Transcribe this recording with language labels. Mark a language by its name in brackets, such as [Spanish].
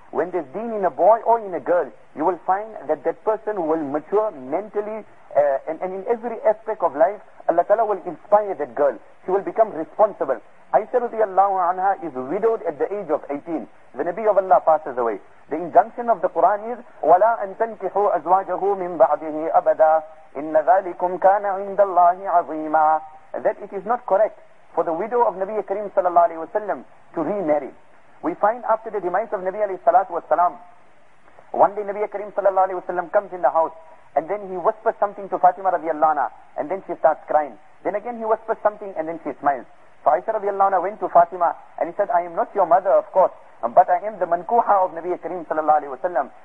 [English] When there's deen in a boy or in a girl, you will find that that person will mature mentally, and in every aspect of life, Allah Ta'ala will inspire that girl. She will become responsible. Aisha radiallahu anha is widowed at the age of 18. The Nabi of Allah passes away. The injunction of the Quran is, [Arabic] وَلَا أَن تَنْكِحُوا أَزْوَاجَهُ مِنْ بَعْدِهِ أَبَدًا إِنَّ ذَلِكُمْ كَانَ عِنْدَ اللَّهِ عَظِيمًا. [English] That it is not correct for the widow of Nabi Kareem sallallahu alayhi wa sallam to remarry. We find after the demise of Nabi alayhi salatu wa salam, one day Nabi Kareem sallallahu alayhi wa sallam comes in the house, and then he whispers something to Fatima radiallahu anha, and then she starts crying. Then again he whispers something and then she smiles. So Aisha radiallahu anha went to Fatima and he said, I am not your mother, of course, but I am the mankuha of Nabi Kareem sallallahu alayhi wa sallam.